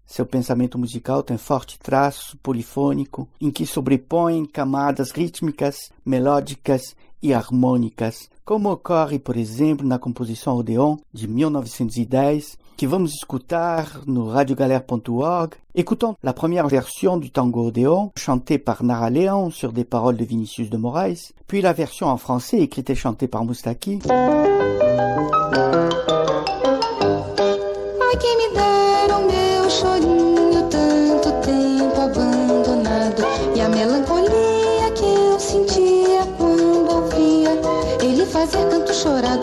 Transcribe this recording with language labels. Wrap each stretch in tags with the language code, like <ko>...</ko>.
<pt>Seu pensamento musical tem forte traço polifônico, em que sobrepõe camadas rítmicas, melódicas e harmônicas, como ocorre, por exemplo, na composição Odeon, de 1910, que vamos escutar no radiogalère.org.</pt> <fr>Écoutons la première version du tango Odeon, chantée par Nara Leão sur des paroles de Vinicius de Moraes, puis la version en français écrite et chantée par Moustaki.</fr> <pt>Ai, quem me dera o meu chorinho, tanto tempo abandonado, e a melancolia que eu sentia quando ouvia ele fazer canto chorado.</pt>